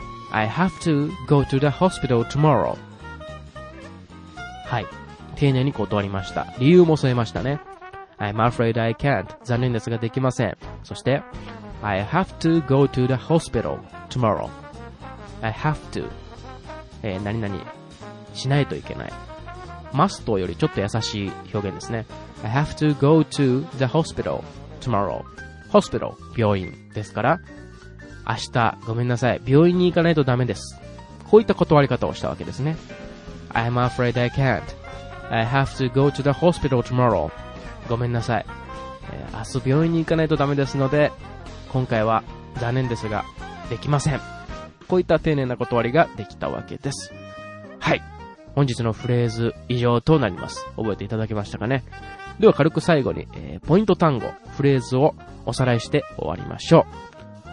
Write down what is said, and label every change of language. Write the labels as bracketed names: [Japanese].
[English] I have to go to the hospital tomorrow. [Japanese] はい、丁寧に断りました。理由も添えましたね。 [English] I'm afraid I can't. [Japanese] 残念ですができません。そして、 [English] I have to go to the hospital tomorrow. I have to. [Japanese] 何々しないといけない。 Must よりちょっと優しい表現ですね。 [English] I have to go to the hospital tomorrow. [Japanese] Hospital, 病院ですから、明日、ごめんなさい、病院に行かないとダメです。こういった断り方をしたわけですね。 [English] I'm afraid I can't. I have to go to the hospital tomorrow. [Japanese] ごめんなさい。明日病院に行かないとダメですので、今回は残念ですが、できません。こういった丁寧な断りができたわけです。はい、本日のフレーズ以上となります。覚えていただけましたかね。では軽く最後に、ポイント単語フレーズをおさらいして終わりましょう。